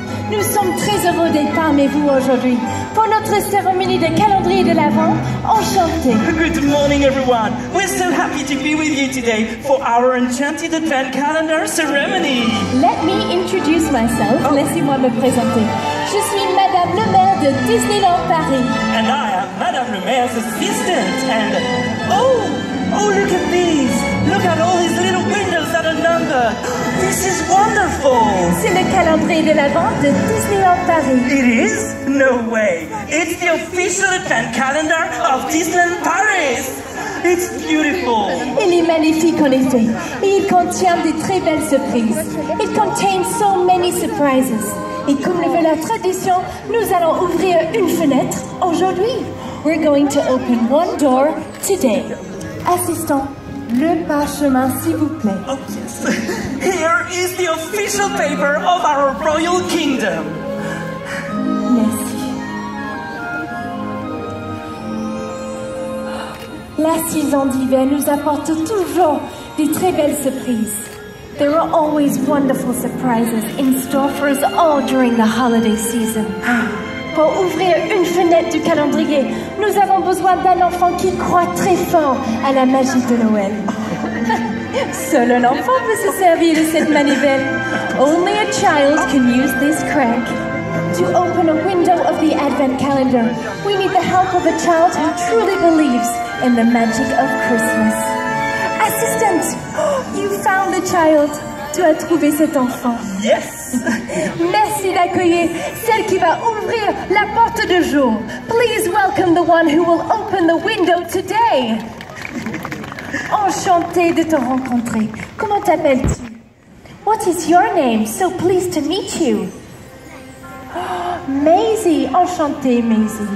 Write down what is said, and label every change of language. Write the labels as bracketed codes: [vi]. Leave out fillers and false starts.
[fr] Nous sommes très heureux d'être parmi vous aujourd'hui pour notre cérémonie de calendrier de l'Avent. Enchantée. [en] Good morning, everyone. We're so happy to be with you today for our Enchanted Advent Calendar ceremony. Let me introduce myself. Oh. [fr] Laissez-moi me présenter. Je suis Madame Le Maire de Disneyland Paris. [en] And I am Madame Le Maire's assistant. And oh, look at these. Look at all these little windows that are numbered. This is wonderful. [fr] C'est le calendrier de l'Avent de Disneyland Paris. [en] It is? No way. It's the official event calendar of Disneyland Paris. It's beautiful. [fr] Il est magnifique en effet. Et il contient de très belles surprises. [en] It contains so many surprises. [fr] Et comme le veut la tradition, nous allons ouvrir une fenêtre aujourd'hui. [en] We're going to open one door today. [fr] Assistant, le parchemin, s'il vous plaît. [en] Oh, yes. Here is the official paper of our royal kingdom. [fr] Merci. La saison d'hiver nous apporte toujours des très belles surprises. [en] There are always wonderful surprises in store for us all during the holiday season. [fr] Pour ouvrir une fenêtre du calendrier, nous avons besoin d'un enfant qui croit très fort à la magie de Noël. Seul un enfant peut se servir de cette manivelle. [en] Only a child can use this crank. To open a window of the Advent calendar, we need the help of a child who truly believes in the magic of Christmas. Assistant, you found the child. [fr] Tu as trouvé cet enfant. [en] Yes. [fr] Merci d'accueillir celle qui va ouvrir la porte de jour. [en] Please welcome the one who will open the window today. [fr] Enchantée de te rencontrer. Comment t'appelles-tu? [en] What is your name? So pleased to meet you. Maisie, enchantée, Maisie.